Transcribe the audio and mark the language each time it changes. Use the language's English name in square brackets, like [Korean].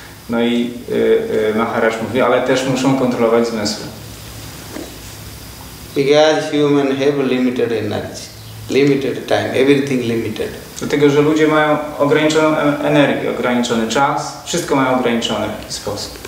[Polish] No i Maharaj mówi, ale też muszą kontrolować zmysły. [English] Because human have limited energy, limited time, everything limited. [Polish] Dlatego, że ludzie mają ograniczoną energię, ograniczony czas, wszystko mają ograniczone w jakiś sposób.